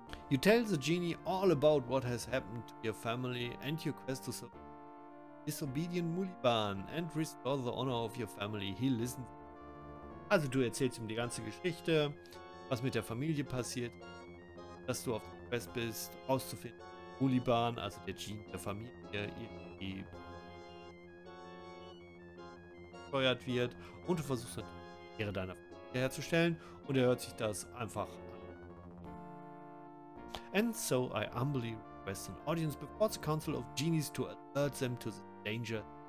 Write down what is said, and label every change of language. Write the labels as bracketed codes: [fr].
[en] You tell the genie all about what has happened to your family and your quest to serve disobedient Muliban and restore the honor of your family. He listens. [de] Also du erzählst ihm die ganze Geschichte, was mit der Familie passiert, dass du auf der Quest bist, rauszufinden, Muliban, also der Genie der Familie, irgendwie gesteuert wird und du versuchst natürlich Ehre deiner Familie herzustellen und er hört sich das einfach an. [en] And so I humbly request an audience before the Council of Genies to alert them to the danger.